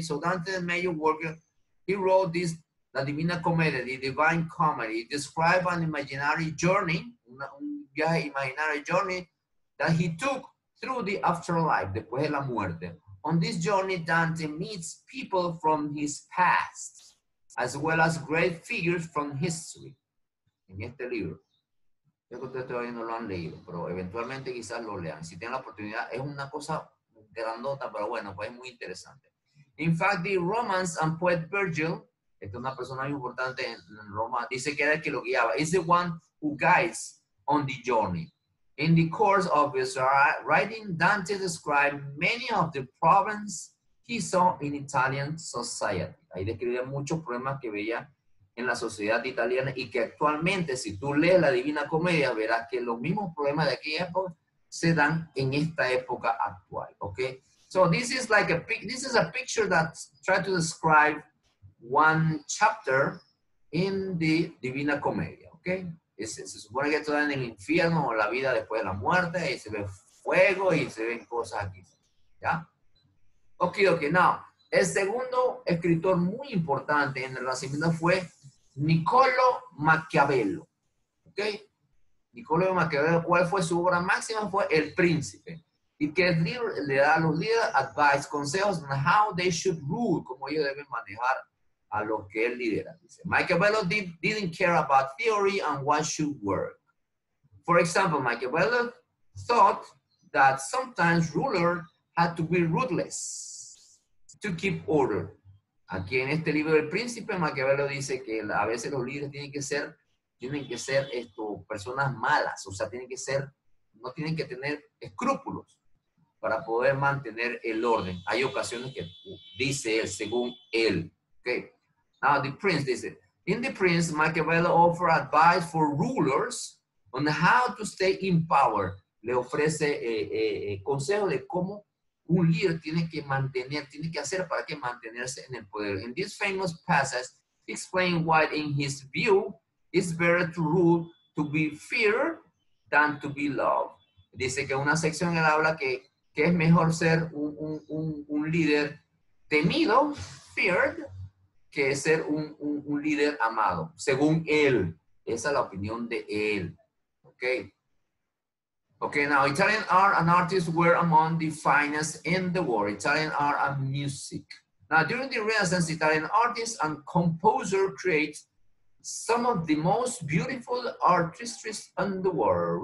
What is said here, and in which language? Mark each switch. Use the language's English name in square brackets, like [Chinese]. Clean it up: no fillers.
[English] So Dante, the major worker, he wrote this, La Divina Comedia, the Divine Comedy, describe an imaginary journey, that he took through the afterlife, [Spanish] después de la muerte. [English] On this journey, Dante meets people from his past, as well as great figures from history. [Spanish] En este libro, yo creo que ustedes todavía no lo han leído, pero eventualmente quizás lo lean. Si tienen la oportunidad, es una cosa grandota, pero bueno, pues es muy interesante. [English] In fact, the Romans and poet Virgil, [Spanish] esta es una persona muy importante en Roma, dice que era el que lo guiaba. [English] Is the one who guides on the journey. In the course of his writing, Dante described many of the problems he saw in Italian society. [Spanish] Ahí describe muchos problemas que veía en la sociedad italiana y que actualmente, si tú lees la Divina Comedia, verás que los mismos problemas de aquella época se dan en esta época actual. [English] Okay? So this is like a picture that tried to describe one chapter in the Divina Comedia. Okay? [Spanish] Se supone que esto da en el infierno o la vida después de la muerte, y se ve fuego y se ven cosas aquí. ¿Ya? Okay, okay. Now, el segundo escritor muy importante en el Renacimiento fue Niccolò Machiavelli. Okay? Niccolò Machiavelli, ¿cuál fue su obra máxima? Fue El Príncipe. Y que el libro le da a los líderes advice, consejos [English] on how they should rule, [Spanish] cómo ellos deben manejar a los que él lidera. [English] Dice, Machiavelli didn't care about theory and what should work. For example, Machiavelli thought that sometimes rulers had to be ruthless to keep order. [Spanish] Aquí en este libro del Príncipe, Machiavelli dice que a veces los líderes tienen que ser esto, personas malas, o sea, no tienen que tener escrúpulos para poder mantener el orden. Hay ocasiones que dice él, según él, okay. [English] Now, The Prince, dice, in The Prince, Machiavelli offers advice for rulers on how to stay in power. [Spanish] Le ofrece consejo de cómo un líder tiene que mantenerse en el poder. [English] In this famous passage, he explains why, in his view, it's better to rule to be feared than to be loved. [Spanish] Dice que una sección él habla que es mejor ser un líder temido, feared, que es ser un líder amado, según él. Esa es la opinión de él. Okay. [English] Okay, now, Italian art and artists were among the finest in the world. Italian art and music. Now, during the Renaissance, Italian artists and composers created some of the most beautiful artistries in the world.